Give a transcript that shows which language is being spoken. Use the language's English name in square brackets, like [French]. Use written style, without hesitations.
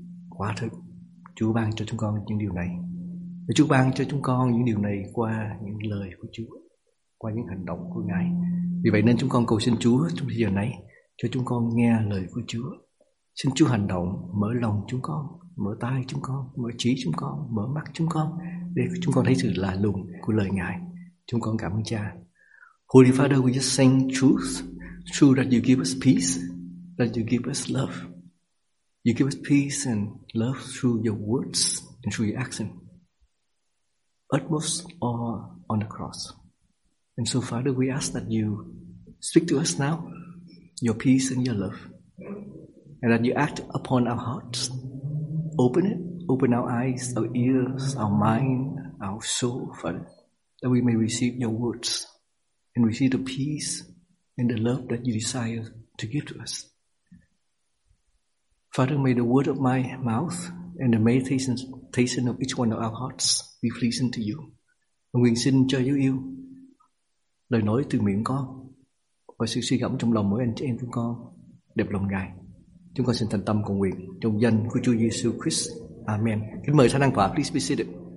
[Vietnamese] Quả thật, Chúa ban cho chúng con những điều này. Và Chúa ban cho chúng con những điều này qua những lời của Chúa, qua những hành động của Ngài. Vì vậy nên chúng con cầu xin Chúa trong thời gian này cho chúng con nghe lời của Chúa. Xin Chúa hành động, mở lòng chúng con, mở tai chúng con, mở trí chúng con, mở mắt chúng con, để chúng con thấy sự lạ lùng của lời Ngài. Chúng con cảm ơn Cha. [English] Holy Father, we just sing truth, true that you give us peace, that you give us love. You give us peace and love through your words and through your action, utmost all on the cross. And so, Father, we ask that you speak to us now, your peace and your love, and that you act upon our hearts. Open it, open our eyes, our ears, our mind, our soul, Father, that we may receive your words and receive the peace and the love that you desire to give to us. Father, may the word of my mouth and the meditation of each one of our hearts be pleasing to you. [Vietnamese] Nguyện xin cho dấu yêu lời nói từ miệng con và sự suy gẫm trong lòng mỗi anh chị em chúng con đẹp lòng Ngài. Chúng con xin thành tâm cầu nguyện trong danh của Chúa Giêsu Christ. Amen. Kính mời thánh ăn quả. [English] Please be seated.